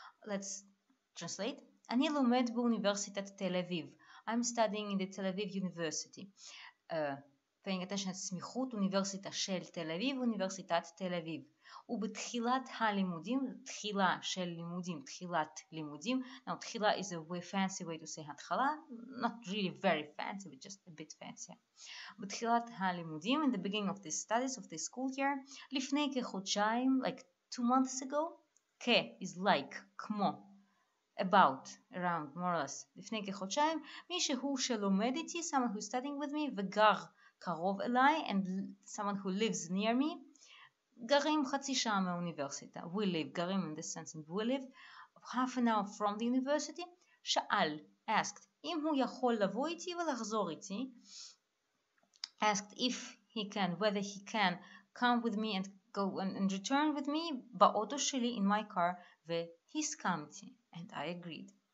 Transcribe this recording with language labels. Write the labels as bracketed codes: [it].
[en] Let's translate. [he] אני לומד באוניברסיטת תל אביב. [en] I'm studying in the Tel Aviv University. Paying attention to סמיכות, [he] אוניברסיטה של תל אביב, [en] אוניברסיטת תל אביב. [he] ובתחילת הלימודים, תחילה של לימודים, תחילת לימודים. [en] Now, תחילה is a way fancy way to say התחלה. Not really very fancy, but just a bit fancier. [he] בתחילת הלימודים, [en] in the beginning of the studies of the school year, [he] לפני כחודשיים, [en] like 2 months ago, כ is like, [he] כמו, [en] about, around, more or less. [he] לפני כחודשיים, מישהו שלומד איתי, [en] someone who is studying with me, [he] וגר קרוב אליי, [en] and someone who lives near me, [he] גרים חצי שעה מהאוניברסיטה. [en] We live, גרים in this sense, and we live half an hour from the university. [he] שאל, [en] asked, [he] אם הוא יכול לבוא איתי ולחזור איתי. [en] Asked if he can, whether he can come with me and go and return with me [he] באוטו שלי, [en] in my car, [he] והסכמתי. [en] And I agreed.